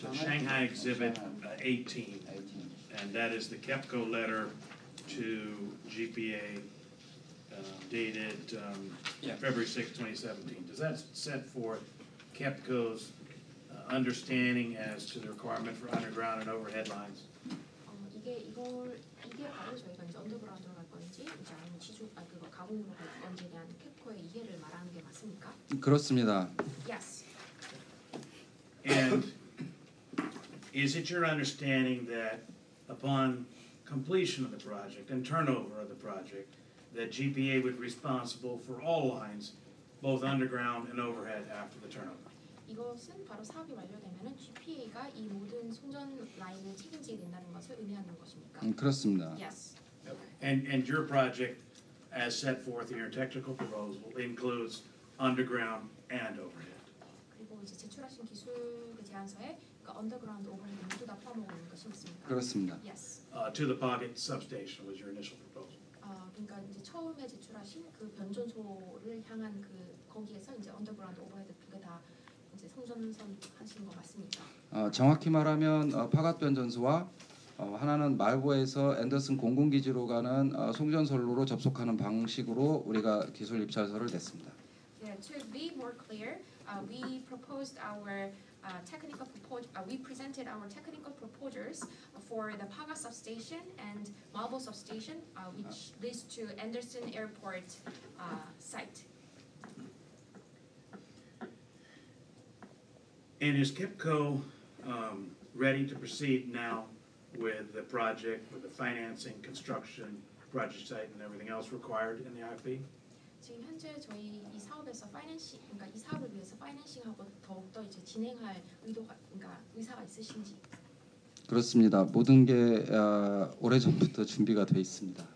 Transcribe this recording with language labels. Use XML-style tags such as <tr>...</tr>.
<en>Shanghai Exhibit 18, and that is the KEPCO letter to GPA dated February 6, 2017. Does that set forth KEPCO's understanding as to the requirement for underground and overhead lines?</en> <ko>이게 바로 저희가 이제 언더그라운드로 갈 건지 이제 아니면 지주 아 그거 가공으로 갈 건지에 대한 캡코의 이해를 말하는 게 맞습니까? 그렇습니다.</ko> <en>Yes. And is it your understanding that upon completion of the project and turnover of the project that GPA would be responsible for all lines both underground and overhead after the turnover?</en> <ko>이것은 바로 사업이 완료되면 GPA가 이 모든 송전 라인을 책임지게 된다는 것을 의미하는 것입니까? 그렇습니다.</ko> <en>Yes. And your project, as set forth in your technical proposal, includes underground and overhead.</en> <ko>그리고 이제 제출하신 기술 제안서에 그 언더그라운드 오버헤드 모두 다 포함하고 있는 것이 있습니까? 그렇습니다.</ko> <en>Yes. To the pocket substation was your initial proposal.</en> <ko>그러니까 이제 처음에 제출하신 그 변전소를 향한 그 거기에서 이제 언더그라운드 오버헤드 그게 다 이제 성전선 하신 것 같습니다. 정확히 말하면 파갓변전소와 하나는 말고에서 앤더슨 공군기지로 가는 송전선로로 접속하는 방식으로 우리가 기술 입찰서를 냈습니다.</ko> <en>Yeah, to be more clear, we proposed our technical proposal. We presented our technical proposals for the Paga substation and Malbo substation, which leads to Anderson Airport site. And is KEPCO ready to proceed now with the project, with the financing, construction, project site, and everything else required in the IFB?</en> <ko>지금 현재 저희 이 사업에서 파이낸싱, 그러니까 이 사업을 위해서 파이낸싱하고 더욱더 이제 진행할 의도가, 그러니까 의사가 있으신지. 그렇습니다. 모든 게 오래 전부터 준비가 돼 있습니다.</ko>